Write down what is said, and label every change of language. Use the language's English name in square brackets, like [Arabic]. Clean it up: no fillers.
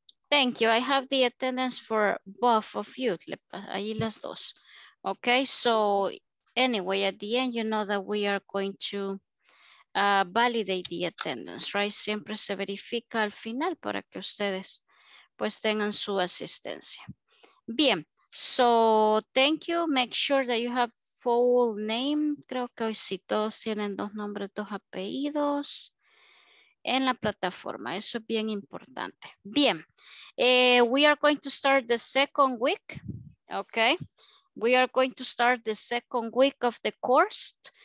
[English] Thank you. I have the attendance for both of you. [Spanish] Ahí las dos. [English] Okay, so anyway, at the end, you know that we are going to validate the attendance, right? [Spanish] Siempre se verifica al final para que ustedes pues tengan su asistencia. [English] Bien, so thank you. Make sure that you have full name. [Spanish] Creo que hoy sí todos tienen dos nombres, dos apellidos. En la plataforma, eso es bien importante. [English] Bien, we are going to start the second week, okay? We are going to start the second week of the course.